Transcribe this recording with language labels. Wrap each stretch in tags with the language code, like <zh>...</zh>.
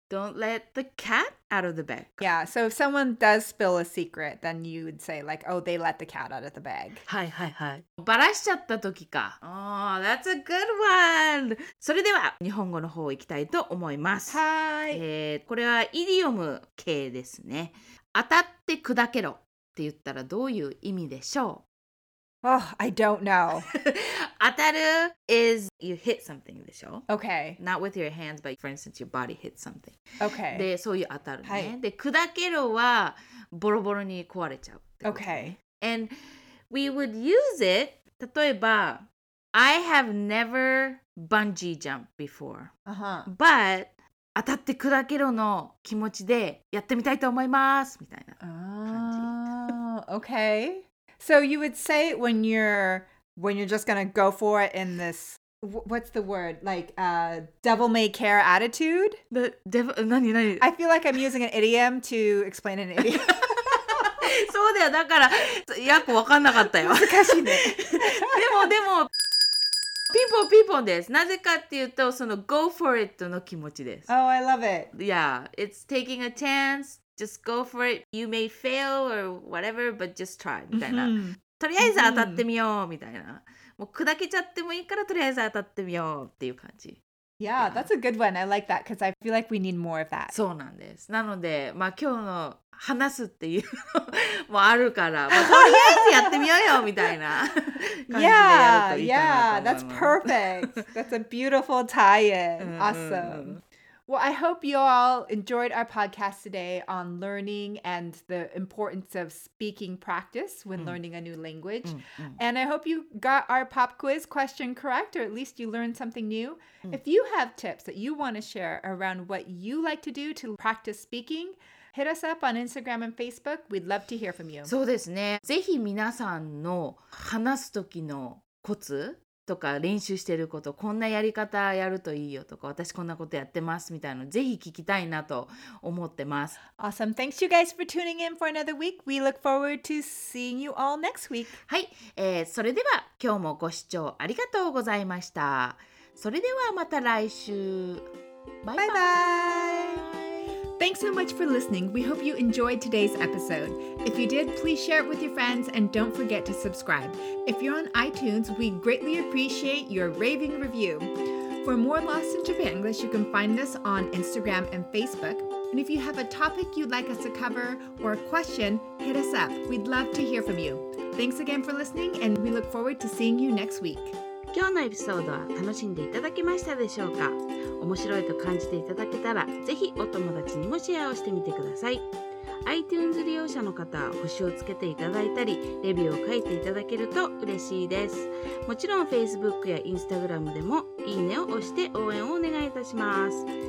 <en>Don't let the cat out of the bag. Yeah, so if someone does spill a secret, then you would say like, oh, they let the cat out of the bag.</en> <ja>はいはいはい。バラしちゃった時か。</ja> <en>Oh, that's a good one.</en> <ja>それでは、日本語の方行きたいと思います。はい。これはイディオム系ですね。当たって砕けろ。って言ったらどういう意味でしょう?</ja> <en>Oh, I don't know. 当たる is you hit something でしょ? Okay. Not with your hands, but for instance, your body hits something. Okay.</en> <ja>で、そういう当たるね。はい、で、砕けるはボロボロに壊れちゃうってこと、ね。Okay.</ja> <en>And we would use it, 例えば、I have never bungee jumped before. Uh-huh. But...</en> <ja>当たって砕けろの気持ちでやってみたいと思いますみたいな感じ。</ja> <en>Okay. So you would say it when you're just gonna go for it in this, what's the word? Like a devil may care attitude? I feel like I'm using an idiom to explain an idiom.</en> <ja>そうだよ。だから、よくわかんなかったよ。難しいね。でも、ピンポンピンポンです。なぜかっていうと、その</ja> <en>go for it</en> <ja>の気持ちです。</ja> <en>Oh, I love it. Yeah, it's taking a chance. Just go for it. You may fail or whatever, but just try.</en> <ja>みたいな。とりあえず当たってみようみたいな。もう砕けちゃってもいいからとりあえず当たってみようっていう感じ。</ja> <en>Yeah, that's a good one. I like that because I feel like we need more of that.</en> <ja>そうなんです。なので、まあ今日の話すっていうのもあるから、まあ、とりあえずやってみようよみたいな</ja> <en>Yeah, yeah, that's perfect. That's a beautiful tie-in. Awesome. Well, I hope you all enjoyed our podcast today on learning and the importance of speaking practice when learning a new language. And I hope you got our pop quiz question correct, or at least you learned something new. If you have tips that you want to share around what you like to do to practice speaking,Hit us up on Instagram and Facebook. We'd love to hear from you.</en> <ja>そうですね。ぜひ皆さんの話す時のコツとか練習してること、こんなやり方やるといいよとか、私こんなことやってますみたいなの、ぜひ聞きたいなと思ってます。</ja> <en>Awesome. Thanks you guys for tuning in for another week. We look forward to seeing you all next week.</en> <ja>はい。それでは今日もご視聴ありがとうございました。それではまた来週。バイバイ。バイバイ。</ja> <en>Thanks so much for listening. We hope you enjoyed today's episode. If you did, please share it with your friends and don't forget to subscribe. If you're on iTunes, we greatly appreciate your raving review. For more Lost in Japan English, you can find us on Instagram and Facebook. And if you have a topic you'd like us to cover or a question, hit us up. We'd love to hear from you. Thanks again for listening and we look forward to seeing you next week.</en> <ja>今日のエピソードは楽しんでいただけましたでしょうか?面白いと感じていただけたら、ぜひお友達にもシェアをしてみてください。 iTunes 利用者の方は星をつけていただいたり、レビューを書いていただけると嬉しいです。もちろん Facebook や Instagram でもいいねを押して応援をお願いいたします。</ja>